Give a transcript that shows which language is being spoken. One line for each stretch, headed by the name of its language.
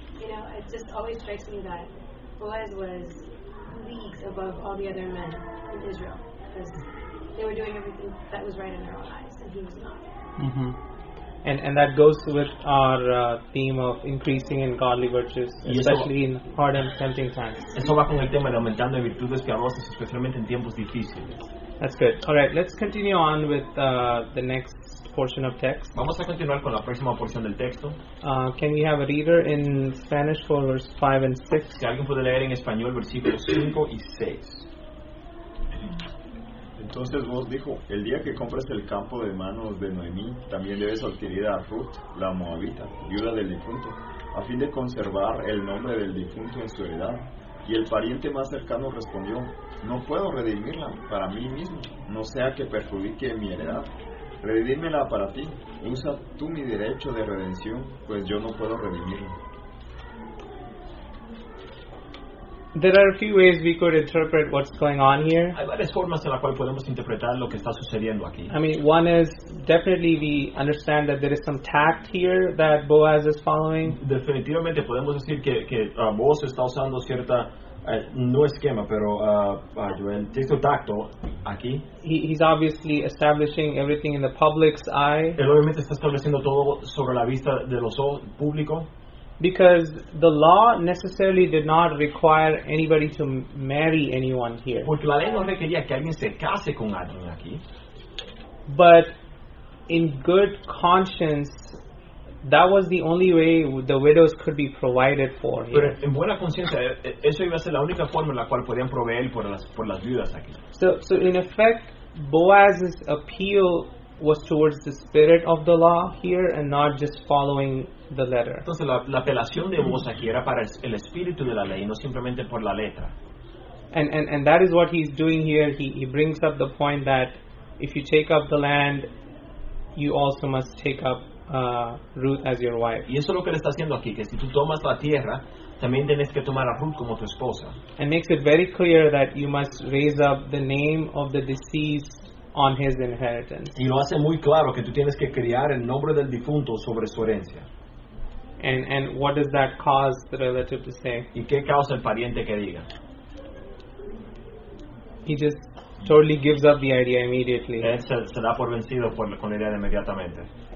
English: You know, it just always strikes me that Boaz was leagues above all the other men in Israel because they were doing everything that was right in their own eyes, and he was not. Mm-hmm. And that goes with our theme of increasing in godly virtues, especially in hard and tempting times.
Spanish: Eso va con el tema de aumentando en virtudes piadosas, especialmente en tiempos difíciles.
English: That's good. All right, let's continue on with the next portion of text.
Spanish: Vamos a continuar con la próxima porción del texto.
English: Can we have a reader in Spanish for verse 5 and 6?
Spanish: Si alguien puede leer en español versículos 5 y 6. Entonces vos dijo, el día que compres el campo de manos de Noemí, también debes adquirir a Ruth, la Moabita, viuda del difunto, a fin de conservar el nombre del difunto en su heredad. Y el pariente más cercano respondió, no puedo redimirla para mí mismo, no sea que perjudique mi heredad. Redímela para ti, usa tú mi derecho de redención, pues yo no puedo redimirla.
English: There are a few ways we could interpret what's going on here.
Spanish: Hay varias formas en la cual podemos interpretar lo que está sucediendo aquí.
English: I mean, one is definitely we understand that there is some tact here that Boaz is following.
Spanish: Definitivamente podemos decir que Boaz está usando cierta no esquema, pero cierto tacto aquí.
English: He's obviously establishing everything in the public's eye.
Spanish: Él obviamente está estableciendo todo sobre la vista de los ojos público.
English: Because the law necessarily did not require anybody to marry anyone here.
Spanish: Porque la ley no requería que alguien se case con alguien aquí.
English: But in good conscience, that was the only way the widows could be provided for here.
Spanish: Pero en buena conciencia, eso iba a ser la única forma en la cual podían proveer por las viudas aquí.
English: So in effect, Boaz's appeal was towards the spirit of the law here and not just following the letter.
Spanish: Entonces la apelación de Boaz aquí era para el espíritu de la ley, no simplemente por la letra.
English: And that is what he's doing here. He brings up the point that if you take up the land, you also must take up Ruth as your wife.
Spanish: Y eso es lo que le está haciendo aquí, que si tú tomas la tierra, también tienes que tomar a Ruth como tu esposa.
English: And makes it very clear that you must raise up the name of the deceased on his inheritance.
Spanish: Y lo hace muy claro que tú tienes que criar el nombre del difunto sobre su herencia.
English: And what does that cause the relative to say?
Spanish: ¿Y qué causa el pariente que diga?
English: He just totally gives up the idea immediately.
Spanish: Él se da por vencido con la idea inmediatamente.